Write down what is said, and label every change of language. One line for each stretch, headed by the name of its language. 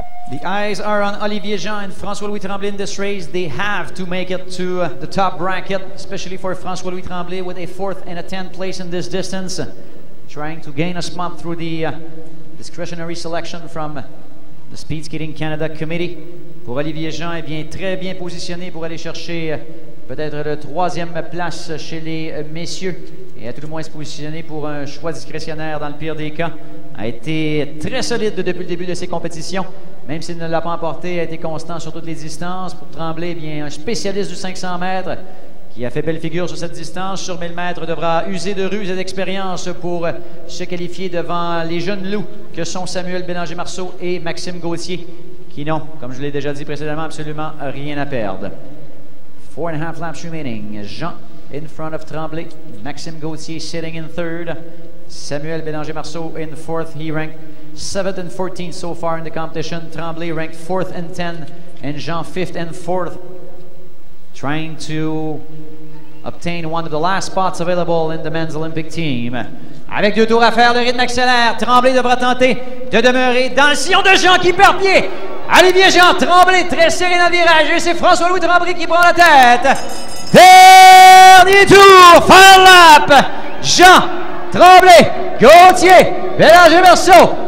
English: The eyes are on Olivier Jean and François-Louis Tremblay in this race. They have to make it to the top bracket, especially for François-Louis Tremblay with a 4th and a 10th place in this distance. Trying to gain a spot through the discretionary selection from the Speed Skating Canada Committee.
French: Pour Olivier Jean, il vient très bien positionné pour aller chercher peut-être la 3e place chez les messieurs. Et à tout le moins se positionner pour un choix discrétionnaire dans le pire des cas. A été très solide depuis le début de ses compétitions. Même s'il ne l'a pas emporté, a été constant sur toutes les distances. Pour Tremblay, eh bien, un spécialiste du 500 mètres qui a fait belle figure sur cette distance. Sur 1000 mètres, devra user de ruse et d'expérience pour se qualifier devant les jeunes loups que sont Samuel Bélanger-Marceau et Maxime Gauthier, qui n'ont, comme je l'ai déjà dit précédemment, absolument rien à perdre.
English: 4.5 laps remaining. Jean in front of Tremblay. Maxime Gauthier sitting in third. Samuel Bélanger-Marceau in fourth. He ranked 7th and 14th so far in the competition. Tremblay ranked 4th and 10th, and Jean 5th and 4th, trying to obtain one of the last spots available in the men's Olympic team.
French: Avec 2 tours à faire, le rythme accélère. Tremblay devra tenter de demeurer dans le sillon de Jean qui perd pied. Olivier Jean, Tremblay, très serré dans le virage. Et c'est François-Louis Tremblay qui prend la tête. Dernier tour,
English: final lap.
French: Jean, Tremblay, Gauthier, Bélanger-Marceau.